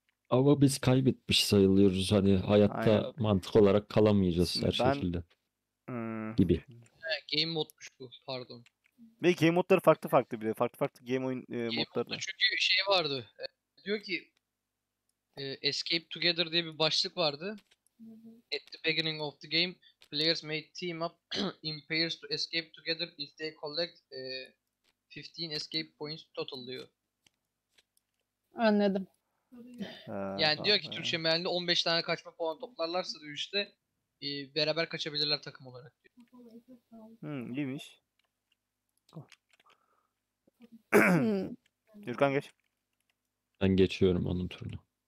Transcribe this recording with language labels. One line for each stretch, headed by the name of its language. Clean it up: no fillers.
Turkish: Ama biz kaybetmiş sayılıyoruz. Hani hayatta aynen, mantık olarak kalamayacağız şimdi her ben şekilde. Gibi. Game modmuş bu, pardon. Ve game modları farklı farklı bile. Farklı farklı game oyun modları. Game modda çünkü şey vardı. Diyor ki Escape Together diye bir başlık vardı.
English: At the beginning of the game, players may team up in pairs to escape together if they collect 15 escape points total
Turkish: diyor. Anladım. Yani diyor ki Türkçe mealinde 15 tane kaçma puan toplarlarsa diyor işte beraber kaçabilirler takım olarak diyor. İyiymiş. Yürkan geç. Ben geçiyorum onun turunu.